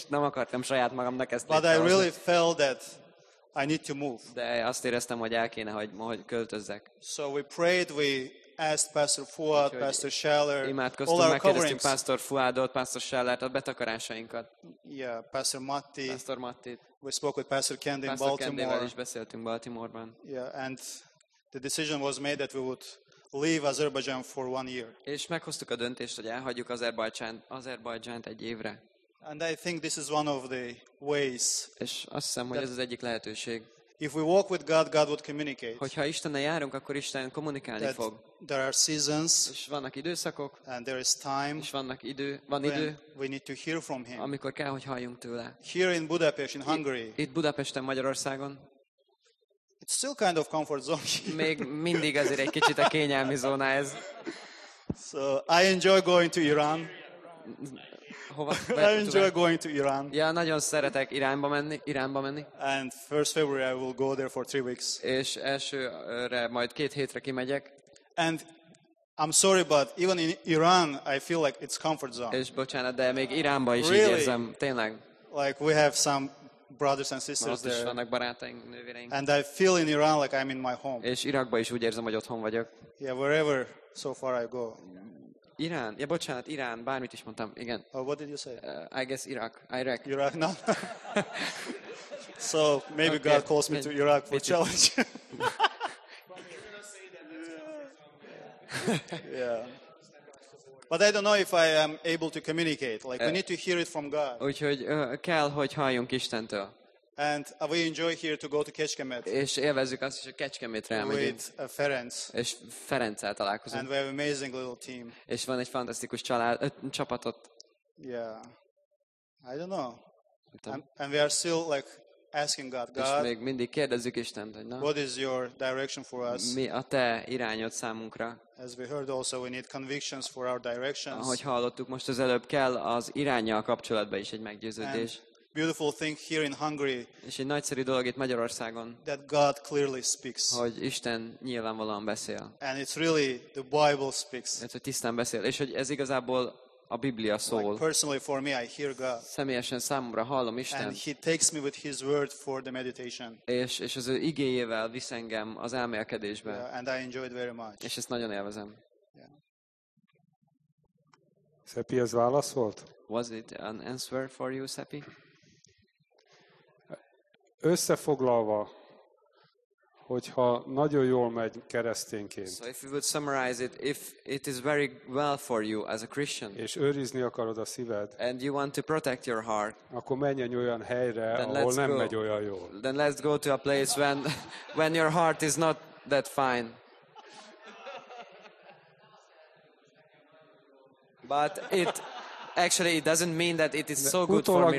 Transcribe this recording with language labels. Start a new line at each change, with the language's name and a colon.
Hungarian: Nem akartam saját magamnak ezt.
English: But I really felt that I need to move.
Hungarian: De azt éreztem, hogy el kéne, hogy költözzek.
English: So we prayed, we asked Pastor Fuad, Pastor Scheller, all our coverings.
Hungarian: Pastor Fuadot, Pastor Schellert, a betakarásainkat.
English: Yeah, Pastor Matti.
Hungarian: Pastor Mattit.
English: We spoke with Pastor Kendi in Baltimore.
Hungarian: Pastor Kendivel is beszéltünk Baltimore-ban.
English: Yeah, and the decision was made that we would leave Azerbaijan for 1 year.
Hungarian: És meghoztuk a döntést, hogy elhagyjuk Azerbajdzsánt egy évre.
English: And I think this is one of the ways.
Hungarian: És azt hiszem, hogy ez az egyik lehetőség.
English: If we walk with God, God would communicate.
Hungarian: Hogyha Istennel járunk, akkor Isten kommunikálni fog.
English: There are seasons.
Hungarian: És vannak időszakok.
English: And there is time.
Hungarian: És vannak idő, van idő.
English: We need to hear from him.
Hungarian: Amikor kell, hogy halljunk tőle.
English: Here in Budapest, in Hungary.
Hungarian: Itt Budapesten, Magyarországon.
English: It's still kind of comfort zone. Here.
Hungarian: Még mindig azért egy kicsit a kényelmi zóna ez.
English: So I enjoy going to Iran.
Hungarian: Hova?
English: I enjoy going to Iran.
Hungarian: Ja, nagyon szeretek Iránba menni.
English: And first February I will go there for 3 weeks.
Hungarian: És elsőre majd 2 hétre kimegyek.
English: And I'm sorry, but even in Iran I feel like it's comfort zone.
Hungarian: És bocsánat, de még Iránba is
English: really?
Hungarian: Így érzem, tényleg.
English: Like we have some brothers and sisters there.
Hungarian: Vannak barátaink, nővéreink.
English: And I feel in Iran like I'm in my home.
Hungarian: És Irakban is úgy érzem, hogy otthon vagyok.
English: Yeah, wherever so far I go.
Hungarian: Irán, ja bocsánat, Irán, bármit is mondtam, igen.
English: Oh, what did you say? I guess Iraq. Iraq, no. So maybe okay. God calls me to Iraq for challenge. Yeah. But I don't know if I am able to communicate. Like we need to hear it from God.
Hungarian: Úgyhogy kell, hogy halljunk Istentől.
English: And we enjoy here to go to Kecskemét.
Hungarian: És élvezzük azt is, hogy Kecskemétre elmegyünk.
English: With Ferenc.
Hungarian: És Ferenccel találkozunk.
English: And we have amazing little team.
Hungarian: És van egy fantasztikus család, csapatot.
English: Yeah. I don't know. And we are still like asking God.
Hungarian: És
English: God,
Hungarian: még mindig kérdezzük Istent, hogy na.
English: What is your direction for us?
Hungarian: Mi a te irányod számunkra?
English: As we heard also, we need convictions for our directions.
Hungarian: Ahogy hallottuk most az előbb, kell az irányjal kapcsolatban is egy meggyőződés.
English: And beautiful thing here in Hungary.
Hungarian: És egy nagyszerű dolog itt Magyarországon.
English: That God clearly speaks.
Hungarian: Hogy Isten nyilvánvalóan beszél.
English: And it's really the Bible speaks.
Hungarian: Ez a tisztán beszél, és hogy ez igazából a Biblia szól.
English: Like personally for me, I hear God.
Hungarian: Személyesen számomra hallom Istent.
English: And he takes me with his word for the meditation.
Hungarian: És az ő igéjével visz engem az elmélkedésbe.
English: Yeah, and I enjoy it very much.
Hungarian: És ezt nagyon élvezem.
English: Yeah.
Hungarian: Szepi, ez válasz volt?
English: Was it an answer for you, Szepi?
Hungarian: Összefoglalva, hogyha nagyon jól megy keresztényként.
English: So if you would summarize it, if it is very well for you as a Christian.
Hungarian: És őrizni akarod a szíved.
English: And you want to protect your heart.
Hungarian: Akkor menjen olyan helyre, ahol nem megy olyan jól.
English: Then let's go to a place when your heart is not that fine. But it actually it doesn't mean that it is so good for me right now.